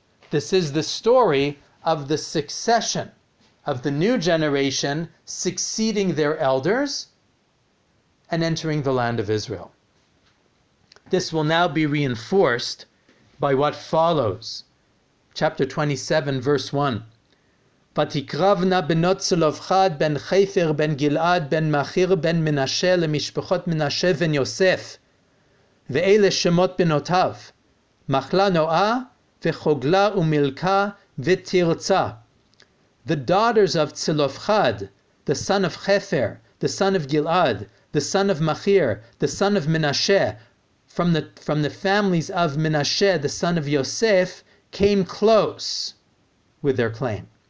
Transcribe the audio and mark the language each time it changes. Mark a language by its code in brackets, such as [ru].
[en] This is the story of the succession of the new generation succeeding their elders and entering the land of Israel. This will now be reinforced by what follows. Chapter 27, verse 1. [he] ותקרבנה בנות צלופחד בן חפר בן גלעד בן מחיר בן מנשה למשפחות מנשה בן יוסף ואלה שמות בנותיו מחלה נועה וחוגלה ומלכה ותרצה. [en] The daughters of Tzilofchad, the son of Hefer, the son of Gilad, the son of Machir, the son of Menasheh, from the families of Menasheh, the son of Yosef, came close with their claim.